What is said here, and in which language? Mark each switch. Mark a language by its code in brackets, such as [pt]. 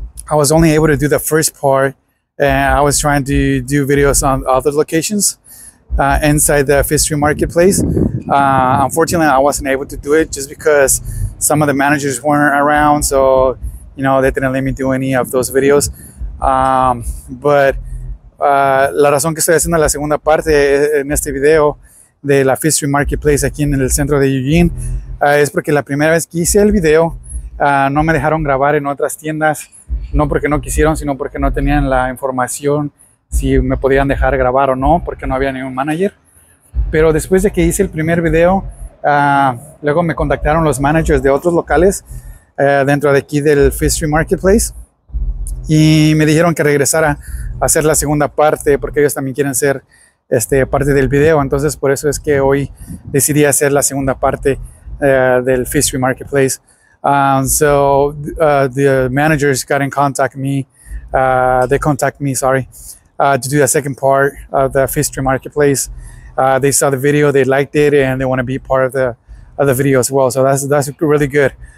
[en] I was only able to do the first part, and I was trying to do videos on other locations inside the Fifth Street Marketplace. Unfortunately, I wasn't able to do it just because some of the managers weren't around, so you know they didn't let me do any of those videos. [es] But la razón que estoy haciendo la segunda parte en este video de la Fifth Street Marketplace aquí en el centro de Eugene es porque la primera vez que hice el video no me dejaron grabar en otras tiendas. No porque no quisieron, sino porque no tenían la información si me podían dejar grabar o no, porque no había ningún manager. Pero después de que hice el primer video, luego me contactaron los managers de otros locales dentro de aquí del Fifth Street Marketplace y me dijeron que regresara a hacer la segunda parte porque ellos también quieren ser parte del video. Entonces por eso es que hoy decidí hacer la segunda parte del Fifth Street Marketplace. [en] The managers got in contact me, to do the second part of the Fifth Street Marketplace. They saw the video, they liked it, and they want to be part of the video as well. So that's really good.